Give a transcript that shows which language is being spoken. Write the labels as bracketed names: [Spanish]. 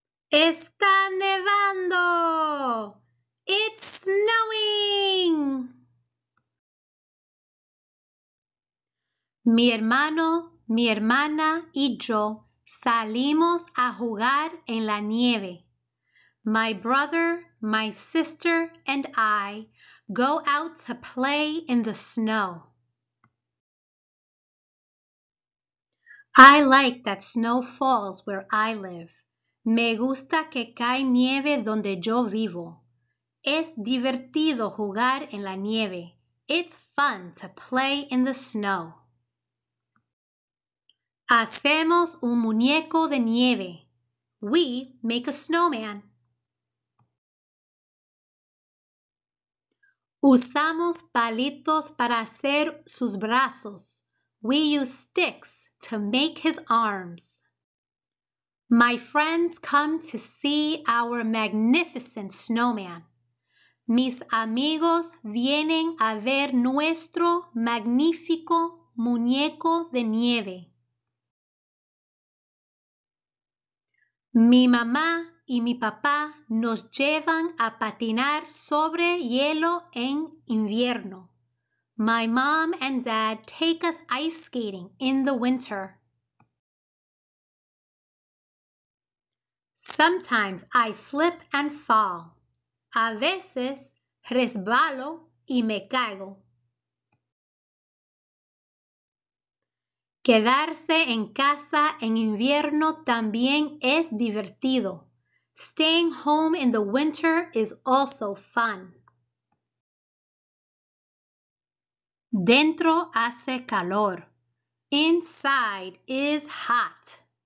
[Spanish] Está nevando. [English] It's snowing. [Spanish] Mi hermano, mi hermana y yo salimos a jugar en la nieve. [English] My brother, my sister, and I go out to play in the snow. I like that snow falls where I live. [Spanish] Me gusta que cae nieve donde yo vivo. Es divertido jugar en la nieve. [English] It's fun to play in the snow. [Spanish] Hacemos un muñeco de nieve. [English] We make a snowman. [Spanish] Usamos palitos para hacer sus brazos. [English] We use sticks to make his arms. My friends come to see our magnificent snowman. [Spanish] Mis amigos vienen a ver nuestro magnífico muñeco de nieve. Mi mamá y mi papá nos llevan a patinar sobre hielo en invierno. [English] My mom and dad take us ice skating in the winter. Sometimes I slip and fall. [Spanish] A veces resbalo y me caigo. Quedarse en casa en invierno también es divertido. [English] Staying home in the winter is also fun. [Spanish] Dentro hace calor. [English] Inside is hot.